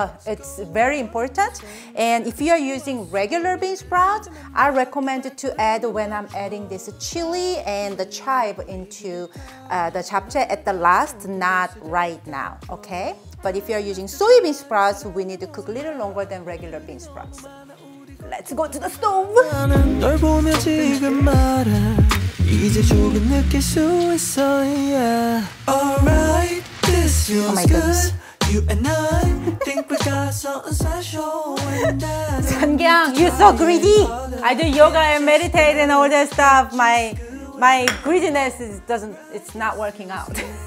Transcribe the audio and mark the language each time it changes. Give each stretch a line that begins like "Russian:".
English: It's very important. And if you are using regular bean sprouts, I recommend to add when I'm adding this chili and the chive into the japchae at the last, not right now, okay? But if you are using soybean sprouts, we need to cook a little longer than regular bean sprouts. Let's go to the stove!
Korean: 나는 널 보며 지금 말아 이제 조금 느낄 수 있어 yeah.
English: Alright, this feels oh my goodness. Good. You and I think we got something special. Seonkyoung, you're so greedy! I do yoga and meditate and all that stuff. My greediness it's not working out.